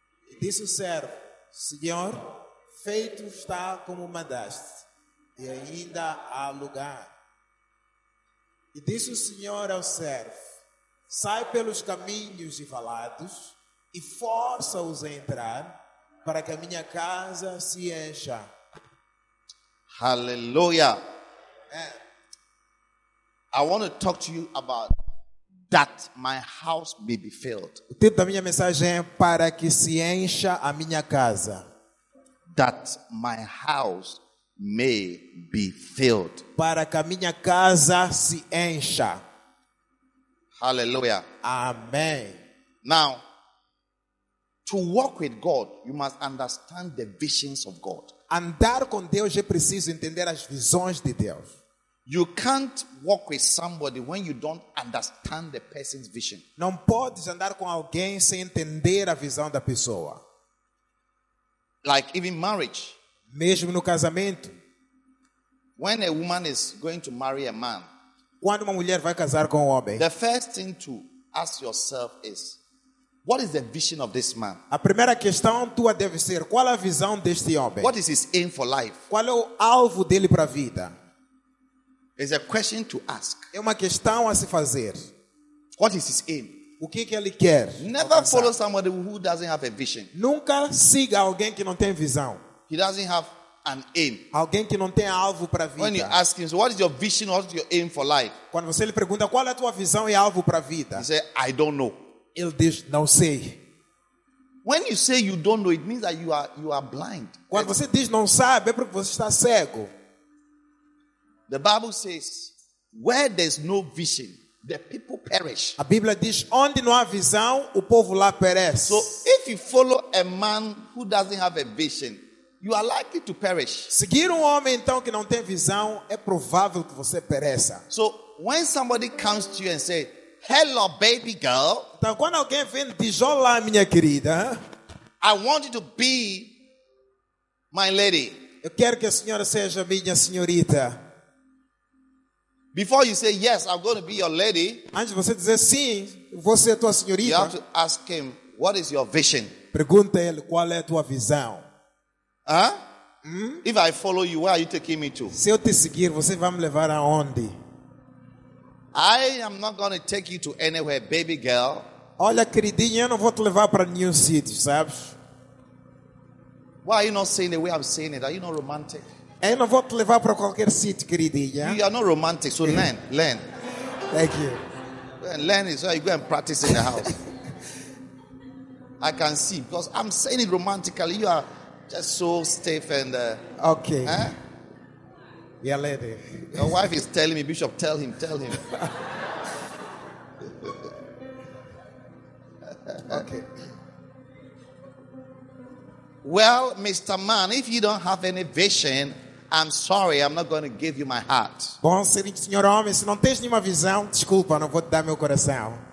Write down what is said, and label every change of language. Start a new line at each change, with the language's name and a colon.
Portuguese: E disse o servo, senhor, feito está como mandaste, e ainda há lugar. E disse o Senhor ao servo, sai pelos caminhos e valados, e força-os a entrar, para que a minha casa se encha. Aleluia!
English: I want to talk to you about that my house may be filled.
Portuguese: O título da minha mensagem é, para que se encha a minha casa.
English: That my house may be filled.
Portuguese: Para que a minha casa se encha.
English: Hallelujah. Amen. Now, to walk with God, you must understand the visions of God.
Portuguese: Andar com Deus é preciso entender as visões de Deus.
English: You can't walk with somebody when you don't understand the person's vision.
Portuguese: Não podes andar com alguém sem entender a visão da pessoa.
English: Like even marriage.
Portuguese: Mesmo no casamento.
English: When a woman is going to marry a man.
Portuguese: Quando uma mulher vai casar com um homem.
English: The first thing to ask yourself is, what is the vision of this man?
Portuguese: A primeira questão tua deve ser, qual é a visão deste homem?
English: What is his aim for life?
Portuguese: Qual é o alvo dele para a vida?
English: It's a question to ask.
Portuguese: É uma questão a se fazer.
English: What is his aim?
Portuguese: O que que ele quer?
English: Never alcançar. Follow somebody who doesn't have a vision.
Portuguese: Nunca siga alguém que não tem visão.
English: He doesn't have an aim.
Portuguese: Alguém que não tem alvo para a vida.
English: When you ask him, so what is your vision, what is your aim for life?
Portuguese: Quando você lhe pergunta qual é a tua visão e alvo para a vida.
English: He says, I don't know.
Portuguese: Ele diz, não sei.
English: When you say you don't know, it means that you are blind.
Portuguese: Quando você diz não sabe, é porque você está cego.
English: The Bible says, where there's no vision, the people perish.
Portuguese: A Bíblia diz, onde não há visão, o povo lá perece.
English: So if you follow a man who doesn't have a vision, you are likely to perish.
Portuguese: Seguir homem então que não tem visão, é provável que você pereça.
English: So when somebody comes to you and says, hello, baby girl.
Portuguese: Então, quando alguém vem, diz, olá, minha querida.
English: I want you to be my lady.
Portuguese: Eu quero que a senhora seja minha senhorita.
English: Before you say, yes, I'm going to be your lady.
Portuguese: Antes de você dizer, sim, vou ser tua senhorita.
English: You have to ask him, what is your vision?
Portuguese: Pergunta ele, qual é a tua visão?
English: If I follow you, where are you taking me to?
Portuguese: Se eu te seguir, você vai me levar aonde?
English: I am not going to take you to anywhere, baby girl.
Portuguese: Olha, queridinha, eu não vou te levar para nenhum sítio, sabes?
English: Why are you not saying the way I'm saying it? Are you not romantic?
Portuguese: Eu não vou te levar para qualquer sítio, queridinha.
English: You are not romantic, so learn, learn. Thank you. Learn is where you go and practice in the house. I can see, because I'm saying it romantically. You are just so stiff and... Okay. Eh? Yeah, lady. Your wife is telling me, Bishop, tell him. Okay. Well, Mr. Man, if you don't have any vision, I'm sorry, I'm not going to give you my heart.
Portuguese: Bom, senhor homem, se não tens nenhuma visão, desculpa, não vou te dar meu coração.